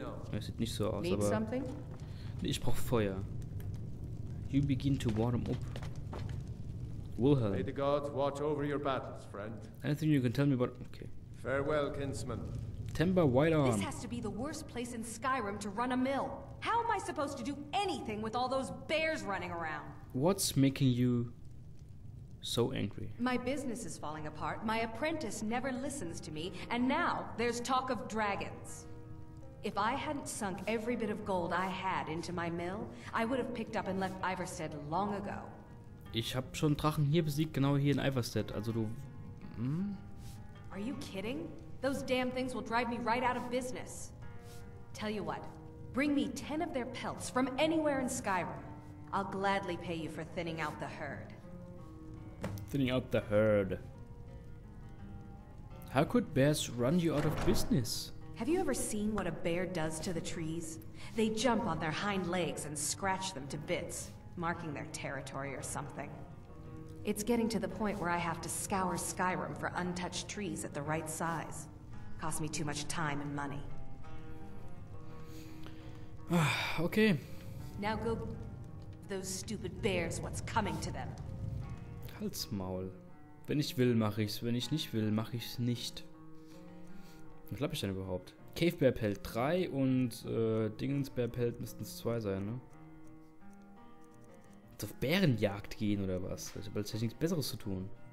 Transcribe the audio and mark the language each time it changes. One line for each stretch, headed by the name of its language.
German: Es sieht nicht so aus, aber nee, ich brauche Feuer.
English: You begin to warm up. Wilhelm. May the gods watch over your battles, friend. Anything you can tell me about? Okay. Farewell, kinsman. Temba Whitearm. This has to be the worst place in Skyrim to run a mill. How am I supposed to do anything with all those bears running around? What's making you so angry? My business is falling apart. My apprentice never listens to me, and now there's talk of dragons. If I hadn't sunk every bit of gold I had into my mill, I would have picked up and left Iverstead long ago.
German: Ich habe schon Drachen hier besiegt, genau hier in Iverstead. Also du.
English: Are you kidding? Those damn things will drive me right out of business. Tell you what, bring me 10 of their pelts from anywhere in Skyrim. I'll gladly pay you for thinning out the herd. Thinning out the herd. How could bears run you out of business? Have you ever seen what a bear does to the trees? They jump on their hind legs and scratch them to bits, marking their territory or something. It's getting to the point where I have to scour Skyrim for untouched trees at the right size. Cost me too much time and money. Okay. Now go... those stupid bears, what's coming to them?
German: Halt's Maul. Wenn ich will, mach ich's. Wenn ich nicht will, mach ich's nicht. Was glaub ich denn überhaupt? Cave Bear Pelt 3 und Dingens Bear Pelt müssten es 2 sein, ne? Jetzt auf Bärenjagd gehen oder was? Ich hab tatsächlich nichts Besseres zu tun.